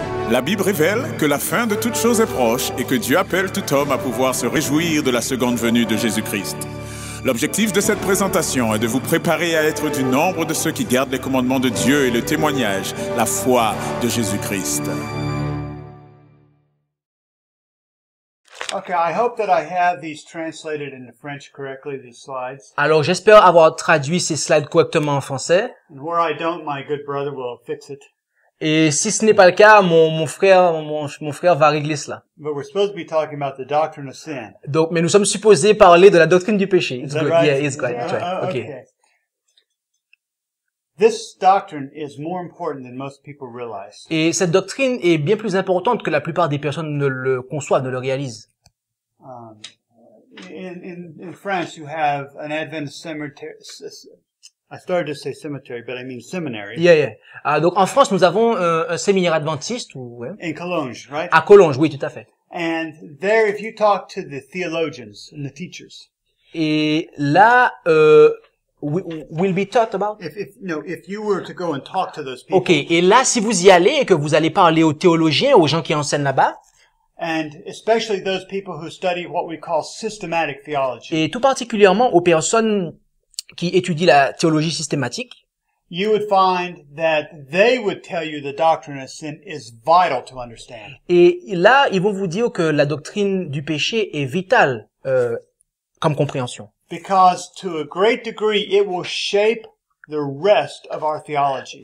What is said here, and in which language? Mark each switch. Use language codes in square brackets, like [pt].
[fr] La Bible révèle que la fin de toutes choses est proche et que Dieu appelle tout homme à pouvoir se réjouir de la seconde venue de Jésus-Christ. L'objectif de cette présentation est de vous préparer à être du nombre de ceux qui gardent les commandements de Dieu et le témoignage, la foi de Jésus-Christ. [en] Okay, I hope that I have these translated into French correctly, these slides. [fr] Alors, j'espère avoir traduit ces slides correctement en français. [en] And where I don't, my good brother will fix it. [fr] Et si ce n'est pas le cas, mon frère va régler cela. [en] But we're supposed to be talking about the doctrine of sin. [fr] Donc, mais nous sommes supposés parler de la doctrine du péché. [en] It's good. Right? Yeah, it's good. Yeah. Okay. This doctrine is more important than most people realize. [fr] Et cette doctrine est bien plus importante que la plupart des personnes ne le conçoivent, ne le réalisent. [en] In France, you have an Adventist cemetery. I started to say cemetery, but I mean seminary. Yeah, yeah. [fr] Donc en France, nous avons un séminaire adventiste ou. [en] In Cologne, right? [fr] À Cologne, oui, tout à fait. [en] And there, if you talk to the theologians and the teachers. [fr] Et là, [en] will be taught about. If you were to go and talk to those people. Okay. [fr] Et là, si vous y allez et que vous allez parler aux théologiens, aux gens qui enseignent là-bas. [en] And especially those people who study what we call systematic theology. [fr] Et tout particulièrement aux personnes qui étudient la théologie systématique. [en] You would find that they would tell you the doctrine of sin is vital to understand. [fr] Et là, ils vont vous dire que la doctrine du péché est vitale comme compréhension. [en] Because to a great degree, it will shape the rest of our theology.